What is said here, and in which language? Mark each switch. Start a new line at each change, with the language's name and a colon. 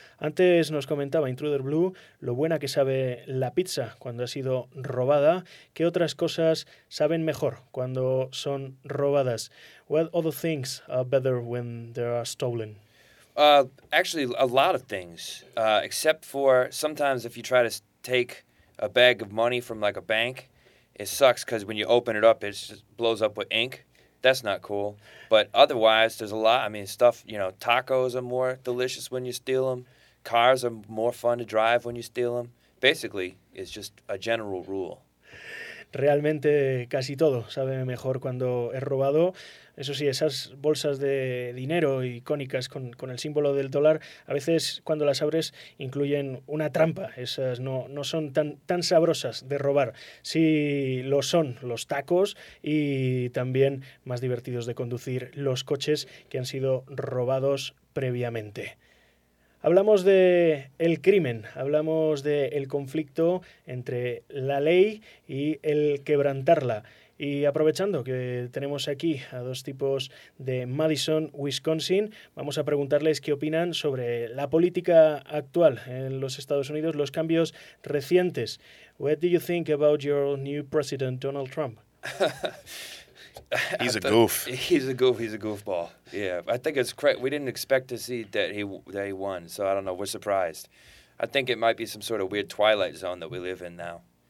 Spanish: Antes nos comentaba Intruder Blue lo buena que sabe la pizza cuando ha sido robada. ¿Qué otras cosas saben mejor cuando son robadas?
English: What other things are better when they are stolen? Actually, a lot of things. Except for sometimes if you try to take a bag of money from like a bank, it sucks because when you open it up, it just blows up with ink. That's not cool. But otherwise, there's a lot. I mean, stuff, you know, tacos are more delicious when you steal them. Cars are more fun to drive when you steal them. Basically, it's just a general rule.
Spanish: Realmente casi todo sabe mejor cuando es robado. Eso sí, esas bolsas de dinero icónicas con el símbolo del dólar, a veces cuando las abres incluyen una trampa. Esas no son tan sabrosas de robar. Sí lo son los tacos y también más divertidos de conducir los coches que han sido robados previamente. Hablamos de el crimen, hablamos de el conflicto entre la ley y el quebrantarla. Y aprovechando que tenemos aquí a dos tipos de Madison, Wisconsin, vamos a preguntarles qué opinan sobre la política actual en los Estados Unidos, los cambios recientes.
English: What do you think about your new president, Donald Trump? He's a goof. He's a goofball. Yeah, I think it's we didn't expect to see that he won, so I don't know. We're surprised. I think it might be some sort of weird Twilight Zone that we live in now.